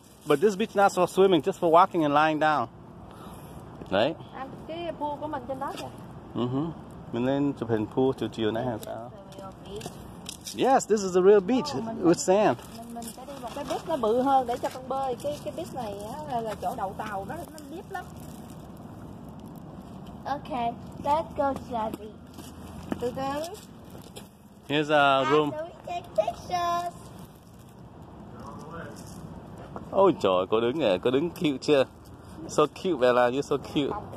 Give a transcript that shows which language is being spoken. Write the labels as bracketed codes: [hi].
[en] But this beach not for swimming, just for walking and lying down. [vi] Đấy. Cái pool của mình trên đó kìa. Mình lên chụp hình pool chiều chiều này hay sao? [en] Yes, this is a real beach with sand. [vi] Mình sẽ đi một cái bích nó bự hơn để cho con bơi. Cái bích này á, là chỗ đậu tàu đó, nó deep lắm. [en] Okay, let's go to the beach. To go. Here's a room. So we take pictures. [vi] Ôi trời, cô đứng nè, cô đứng cute chưa? [en] So cute, Bella, you're so cute.